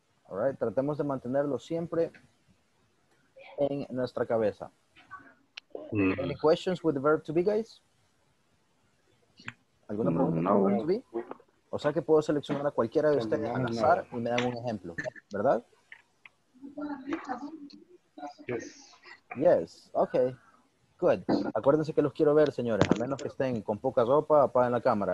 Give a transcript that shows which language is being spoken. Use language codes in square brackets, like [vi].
[en] All right, [es] tratemos de mantenerlo siempre en nuestra cabeza. [en] Any questions with the verb to be, guys? [es] ¿Alguna pregunta con el verb to be? O sea que puedo seleccionar a cualquiera de ustedes al azar y me dan un ejemplo, ¿verdad? [en] Yes. Yes, okay. Good. [es] Acuérdense que los quiero ver, señores, a menos que estén con poca ropa, apaguen la cámara.